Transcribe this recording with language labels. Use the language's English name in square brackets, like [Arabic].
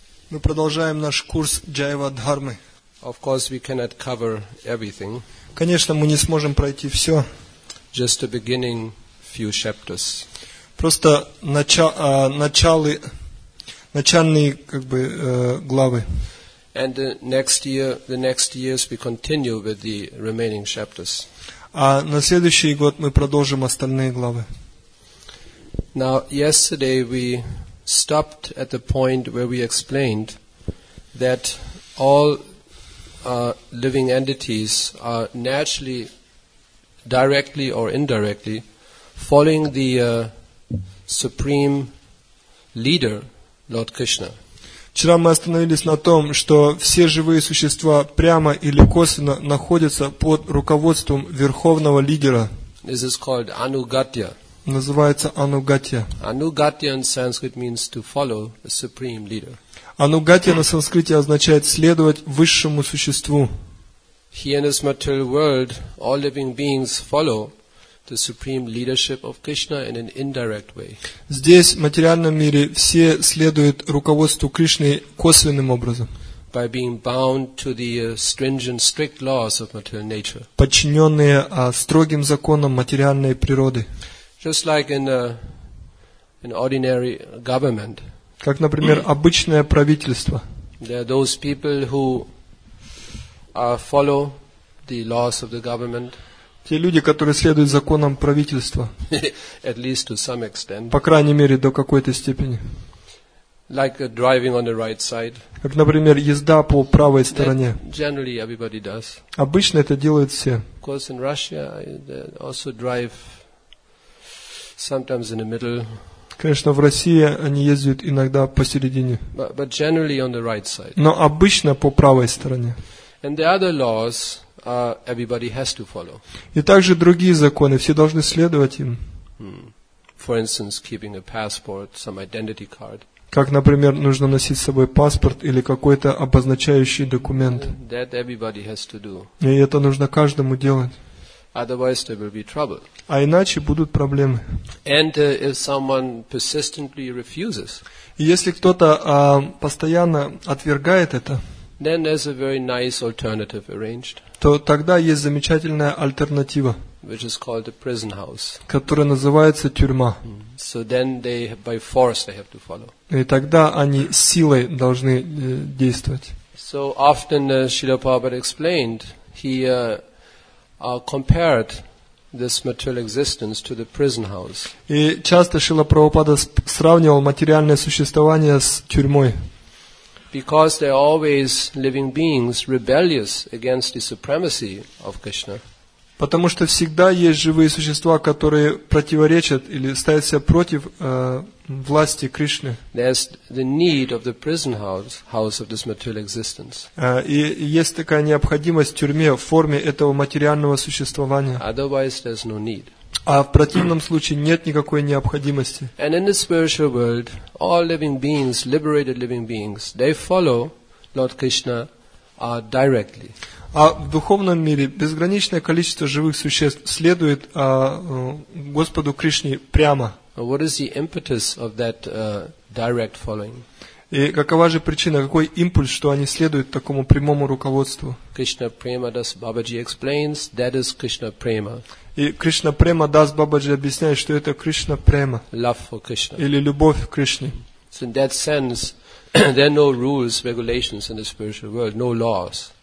[Russian] Мы продолжаем наш курс Джайва Дхармы. [English] Of course, we cannot cover everything. [Russian] Конечно, мы не сможем пройти все. [English] Just the beginning, few chapters. [Russian] Просто начальные главы. [English] And the next years, we continue with the remaining chapters. [Russian] А на следующий год мы продолжим остальные главы. [English] Now, yesterday we stopped at the point where we explained that all living entities are naturally, directly or indirectly, following the supreme leader, Lord Krishna. [Russian] Вчера мы остановились на том, что все живые существа прямо или косвенно находятся под руководством верховного лидера. [English] This is called Anugatya. [Russian] Называется Анугатья. [English] Anugatya in Sanskrit means to follow the supreme leader. [Russian] Анугатья на санскрите означает следовать высшему существу. [English] Here in this material world, all living beings follow the supreme leadership of Krishna in an indirect way. [Russian] Здесь, в материальном мире, все следуют руководству Кришны косвенным образом. [English] By being bound to the stringent, strict laws of material nature. [Russian] Подчиненные строгим законам материальной природы. [English] Just like in an ordinary government. [Russian] Как, например, обычное правительство. [English] There are those people who follow the laws of the government. [Russian] Те люди, которые следуют законам правительства. [English] At least to some extent. [Russian] По крайней мере, до какой-то степени. [English] Like driving on the right side. [Russian] Как, например, езда по правой стороне. [English] That generally everybody does. [Russian] Обычно это делают все. [English] Of course, in Russia, they also drive sometimes in the middle. [Russian] Конечно, в России они ездят иногда посередине. [English] But generally on the right side. [Russian] Но обычно по правой стороне. [English] And the other laws, everybody has to follow. [Russian] И также другие законы, все должны следовать им. [English] For instance, keeping a passport, some identity card. [Russian] Как, например, нужно носить с собой паспорт или какой-то обозначающий документ. [English] That everybody has to do. [Russian] И это нужно каждому делать. [English] Otherwise, there will be trouble. [Russian] А иначе будут проблемы. [English] And if someone persistently refuses. [Russian] И если кто-то постоянно отвергает это, [English] then there's a very nice alternative arranged. [Russian] То тогда есть замечательная альтернатива, [English] which is called the prison house. [Russian] Которая называется тюрьма. [English] So then they, by force, they have to follow. [Russian] И тогда они силой должны действовать. [English] So often Srila Prabhupada explained, he compared this material existence to the prison house. [Russian] И часто Шрила Прабхупада сравнивал материальное существование с тюрьмой. [English] Because they are always living beings rebellious against the supremacy of Krishna. [Russian] Потому что всегда есть живые существа, которые противоречат или ставят себя против власти Кришны. [English] There's the need of the prison house of this material existence. [Russian] И есть такая необходимость в тюрьме в форме этого материального существования. [English] Otherwise, there's no need. [Russian] А в противном случае нет никакой необходимости. [English] And in the spiritual world, all living beings, liberated living beings, they follow Lord Krishna directly. [Russian] А в духовном мире безграничное количество живых существ следует Господу Кришне прямо. [English] What is the impetus of that direct following? [Russian] И какова же причина, какой импульс, что они следуют такому прямому руководству? [English] Krishna Prema Das Babaji explains, that is Krishna Prema. [Russian] И Кришна Према Дас Бабаджи объясняет, что это Кришна Према. [English] Love for Krishna. [Russian] Или любовь к Кришне. [English] So in that sense, there are no rules, regulations in the spiritual world, no laws.